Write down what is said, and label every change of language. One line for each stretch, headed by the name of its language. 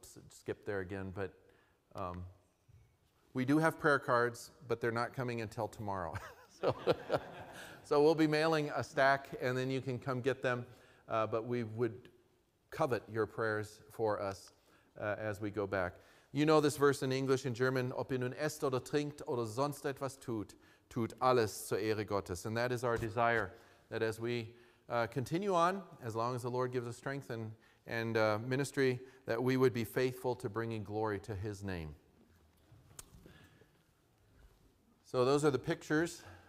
English: Skipped there again, but we do have prayer cards, but they're not coming until tomorrow. So we'll be mailing a stack, and then you can come get them, but we would covet your prayers for us as we go back. You know this verse in English and German,
German: ob ihr nun esst oder trinkt oder sonst etwas tut, tut alles zur Ehre Gottes.
English: And that is our desire, that as we continue on, as long as the Lord gives us strength and ministry, that we would be faithful to bringing glory to His name. So those are the pictures.